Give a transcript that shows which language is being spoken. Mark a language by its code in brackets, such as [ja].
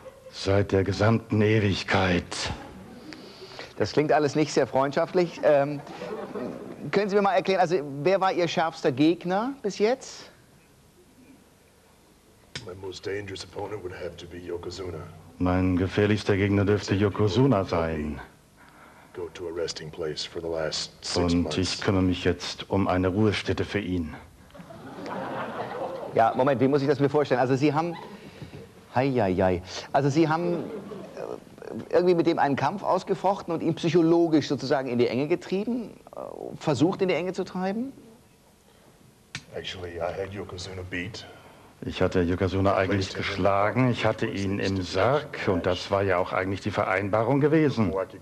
[de] Seit der gesamten Ewigkeit. Das klingt alles nicht sehr freundschaftlich. Können Sie mir mal erklären, also wer war Ihr schärfster Gegner bis jetzt? [en] My most dangerous opponent would have to be Yokozuna. [de] Mein gefährlichster Gegner dürfte Yokozuna sein. [en] Go to a resting place for the last six months. [de] Ich kümmere mich jetzt um eine Ruhestätte für ihn. Ja, Moment, wie muss ich das mir vorstellen? Also Sie haben... Heieiei. Also Sie haben irgendwie mit dem einen Kampf ausgefochten und ihn psychologisch sozusagen in die Enge getrieben, versucht in die Enge zu treiben? [en] Actually, I had Yokozuna beat. [de] Ich hatte Yokozuna eigentlich geschlagen, ich hatte ihn im Sarg und das war ja auch eigentlich die Vereinbarung gewesen.